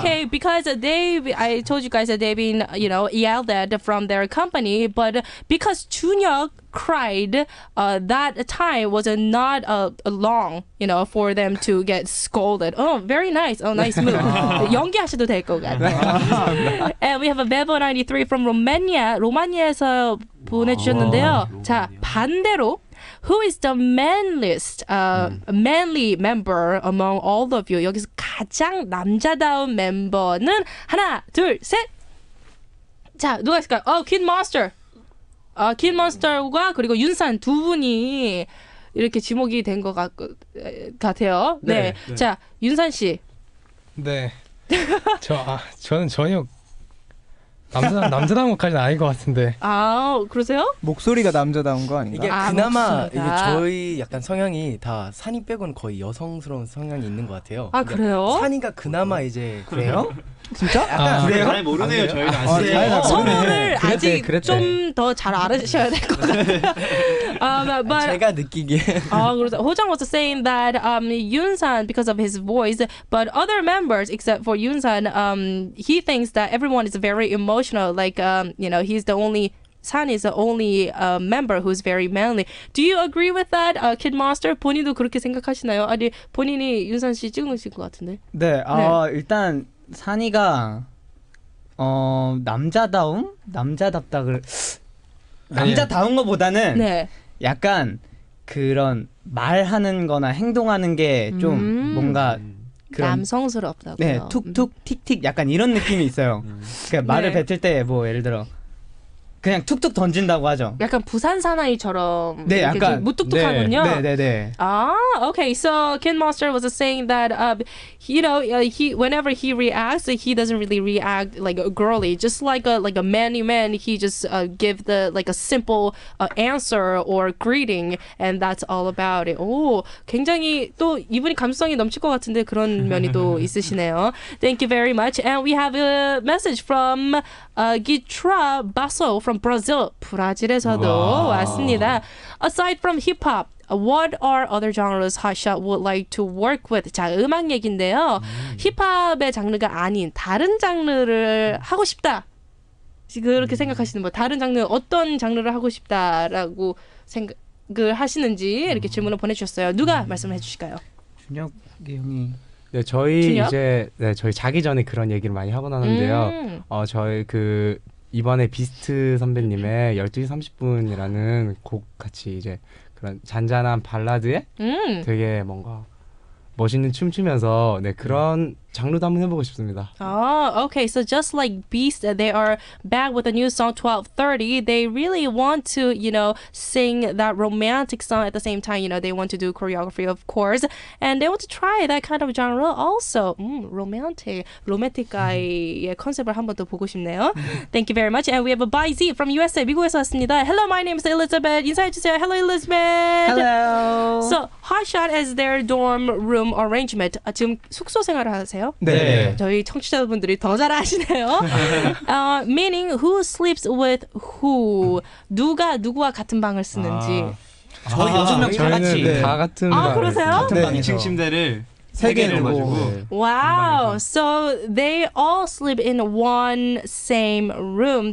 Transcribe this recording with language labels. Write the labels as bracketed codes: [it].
[en] okay, because they, I told you guys that they've been, you know, yelled at from their company, but because Junhyuk cried, that time was not a long, you know, for them to get scolded. Oh, very nice. Oh, nice move. [ko] 연기하셔도 될 것 같아요. [en] And we have a Bevo 93 from Romania. [ko] 로마니아에서 보내주셨는데요. 자, 반대로. [en] Who is the manliest, manly member among all of you? [ko] 여기서 가장 남자다운 멤버는 하나, 둘, 셋. 자, 누가 있을까요? 어, Kid Monster. 어, Kid Monster과 그리고 윤산 두 분이 이렇게 지목이 된 것 같아요. 네. 네. 자, 윤산 씨. 네. 저는 전혀 남자다운 것까지는 아닌 것 같은데. 아 그러세요? 목소리가 남자다운 거 아닌가? 이게 그나마 이게 저희 약간 성향이 다 산이 빼고는 거의 여성스러운 성향이 있는 것 같아요. 아 그래요? 산이가 그나마 이제 그래요? 진짜? 아, 그래요? 잘 모르네요 저희는. 아, 성향을 아직 좀 더 잘 알아주셔야 될 것 같아요. but 제가 느끼기에 아 그러세요? [en] Ho-chan was saying that Yoon-san, because of his voice, but other members except for Yoon-san, he thinks that everyone is very emotional. Emotional, like you know, he's the only San is the only member who's very manly. Do you agree with that, Kid Monster? [ko] 본인도 그렇게 생각하시나요? 아니 본인이 윤산 씨 찍으신 것 같은데. 네, 네. 일단 산이가 남자다움, 남자답다를 남자다운 것보다는 네. 약간 그런 말하는거나 행동하는 게 좀 뭔가. 남성스럽다고요. 네, 툭툭 틱틱 약간 이런 느낌이 있어요. 그러니까 말을 네. 뱉을 때 뭐 예를 들어 그냥 툭툭 던진다고 하죠. 약간 부산 사나이처럼 네, 약간 무뚝뚝하군요. 네, 네, 네. 아, okay. [en] So Kid Monster was saying that you know, he whenever he reacts, he doesn't really react like a girly, just like a manly man. He just give the like a simple answer or greeting, and that's all about it. [ko] 오, 굉장히 또 이분이 감성이 넘칠 것 같은데 그런 면이 또 있으시네요. [en] Thank you very much. And we have a message from Gitra Basso. From Brazil, [ko] 브라질에서도 [en] wow. [ko] 왔습니다. [en] Aside from hip hop, what are other genres Hotshot would like to work with? [ko] 자, 음악 얘긴데요. 힙합의 장르가 아닌 다른 장르를 하고 싶다. 그렇게 생각하시는 분, 다른 장르 어떤 장르를 하고 싶다라고 생각을 하시는지 이렇게 질문을 보내주셨어요. 누가 말씀해 주실까요? 준혁 형이. 네, 저희 준혁? 이제 네, 저희 자기 전에 그런 얘기를 많이 하고 나는데요. 저희 그 이번에 비스트 선배님의 12시 30분이라는 곡 같이 이제 그런 잔잔한 발라드에 되게 뭔가 멋있는 춤추면서 네 그런 장르도 한번 해보고 싶습니다. [en] Oh, okay. So just like Beast, they are back with a new song 12:30. They really want to, you know, sing that romantic song at the same time. You know, they want to do choreography, of course, and they want to try that kind of genre also. Romantic, romantic guy [ko] 의 컨셉을 한번 더 보고 싶네요. [en] Thank you very much. And we have a Bai Z from USA, [ko] 미국에서 왔습니다. [en] Hello, my name is Elizabeth. [ko] 인사해 주세요. [en] Hello, Elizabeth. Hello. So, Hotshot is their dorm room arrangement. [ko] 지금 숙소 생활을 하세요. 네. 네. 저희 청취자분들이 더 잘 아시네요. [en] meaning who sleeps with who? [ko] 누가 누구와 같은 방을 쓰는지. 저희 여섯 명 다 같이 네. 다 같은 방. 아, 그러세요? 같은 네. 방에서. 2층 침대를 세 개를 가지고. 네. 와우. [en] So they all sleep in one same room.